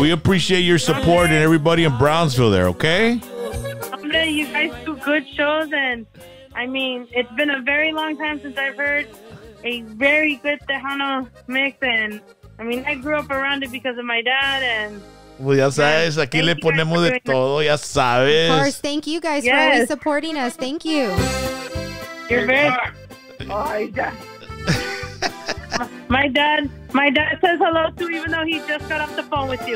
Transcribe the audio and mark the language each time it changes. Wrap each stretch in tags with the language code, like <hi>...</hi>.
<en>We appreciate your support and everybody in Brownsville there, okay? Hombre, you guys do good shows and... I mean, it's been a very long time since I've heard a very good Tejano mix, and I mean, I grew up around it because of my dad, and...</en> <es>Pues ya sabes, aquí le ponemos de todo, ya sabes.</es> <en>Of course, thank you guys for always supporting us, thank you. You're very... Oh, My dad says hello to you, even though he just got off the phone with you.</en>